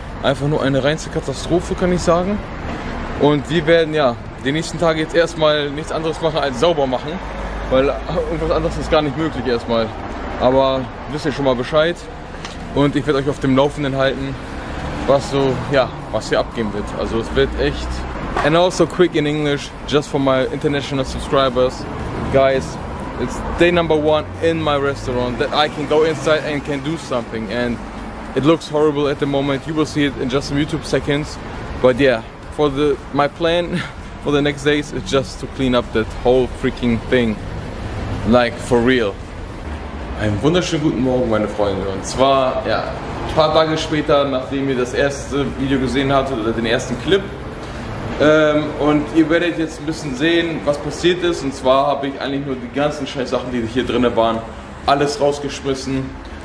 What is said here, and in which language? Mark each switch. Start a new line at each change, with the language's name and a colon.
German: Einfach nur eine reinste Katastrophe, kann ich sagen. Und wir werden ja die nächsten Tage jetzt erstmal nichts anderes machen als sauber machen. Weil irgendwas anderes ist gar nicht möglich erstmal. Aber wisst ihr schon mal Bescheid. Und ich werde euch auf dem Laufenden halten, was so, ja, was hier abgehen wird. Also es wird echt.
English: And also quick in English, just for my international subscribers. Guys, it's day number one in my restaurant that I can go inside and can do something. And it looks horrible at the moment. You will see it in just some YouTube seconds. But yeah, my plan for the next days is just to clean up that whole freaking thing. Like, for real.
German: Einen wunderschönen guten Morgen, meine Freunde. Und zwar, ja, ein paar Tage später, nachdem ihr das erste Video gesehen habt, oder den ersten Clip. Und ihr werdet jetzt ein bisschen sehen, was passiert ist. Und zwar habe ich eigentlich nur die ganzen scheiß Sachen, die hier drin waren, alles rausgeschmissen.